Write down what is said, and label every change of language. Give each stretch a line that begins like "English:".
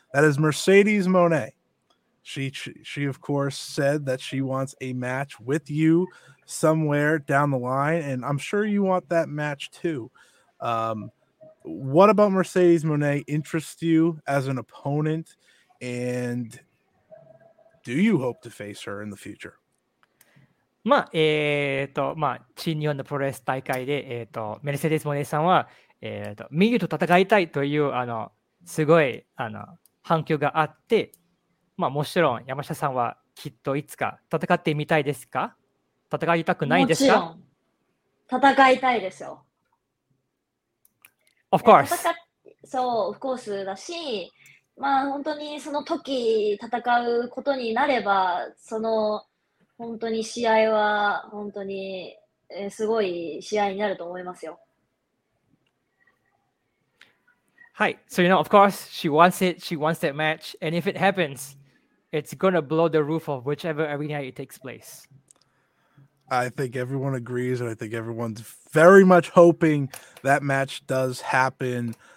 English: That is Mercedes Moné. She of course, said that she wants a match with you somewhere down the line, and I'm sure you want that match too. What about Mercedes Moné interests you as an opponent, and do you hope to face her in the future?
Japanese: まあ、まあ、新日本のプロレス大会で、メルセデス・モネさんは、ミユと戦いたいというすごい反響があって、まあ、もちろん山下さんはきっといつか戦ってみたいですか？戦いたくないですか？もちろん戦いたいですよ。
English: Of course.
Japanese: そう、オフコースだし、まあ本当にその時戦うことになれば、その本当に試合は本当にすごい試合になると思いますよ。
English: Hi, so you know, of course, she wants that match, and if it happens, it's gonna blow the roof off whichever arena it takes place. I think everyone agrees, and I think everyone's very much hoping that match does happen.